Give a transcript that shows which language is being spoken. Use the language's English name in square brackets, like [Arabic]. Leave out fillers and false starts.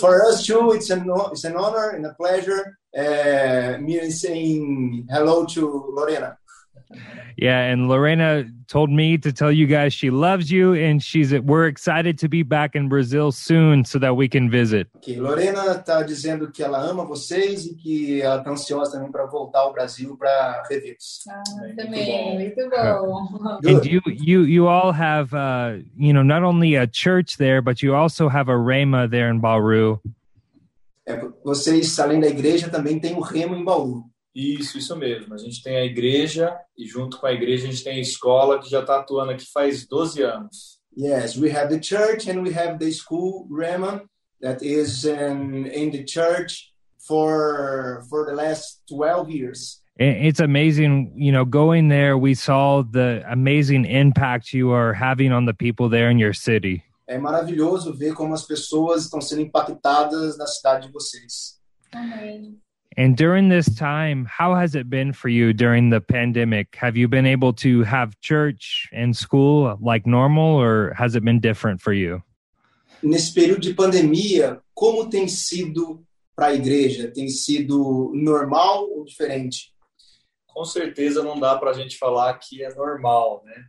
[English] For us too, it's an honor and a pleasure. Me saying hello to Lorena. Yeah, and Lorena told me to tell you guys she loves you and we're excited to be back in Brazil soon so that we can visit. [Portuguese] Okay, Lorena está dizendo que ela ama vocês e que ela está ansiosa também para voltar ao Brasil para revê-los. Ah, também, muito bom. [English] And you all have, not only a church there, but you also have a Rema there in Bauru. [Portuguese] É, vocês, além da igreja, também tem o Rema em Bauru. Isso mesmo. A gente tem a igreja e junto com a igreja a gente tem a escola que já está atuando aqui faz 12 anos. [English] Yes, we have the church and we have the school, Rema, that is in the church for the last 12 years. It's amazing, going there, we saw the amazing impact you are having on the people there in your city. [Portuguese] É maravilhoso ver como as pessoas estão sendo impactadas na cidade de vocês. Amém. [English] And during this time, how has it been for you during the pandemic? Have you been able to have church and school like normal, or has it been different for you? [Portuguese] Nesse período de pandemia, como tem sido para a igreja? Tem sido normal ou diferente? Com certeza não dá para a gente falar que é normal, né?